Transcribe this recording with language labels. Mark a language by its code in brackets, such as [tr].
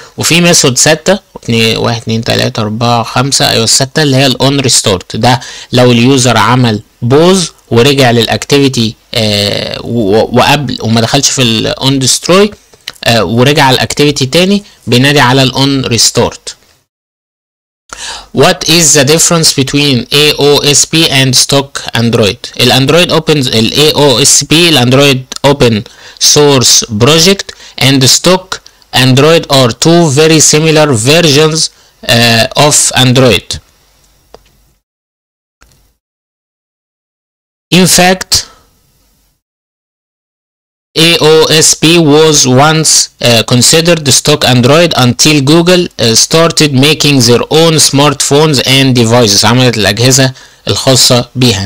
[ar] وفي ميثود 6 واحد اتنين تلاتة اربعة خمسة, ايوه الستة اللي هي الاون ريستارت. ده لو اليوزر عمل بوز ورجع للاكتيفيتي وقبل وما دخلش في الاون ديستروي ورجع الاكتيفيتي تاني بينادي على الاون ريستارت. [en] What is the difference between AOSP and stock Android? الاندرويد opens AOSP الاندرويد open source project and stock Android are two very similar versions of Android. In fact, AOSP was once considered the stock Android until Google started making their own smartphones and devices. [ar] عملت الأجهزة الخاصة بها.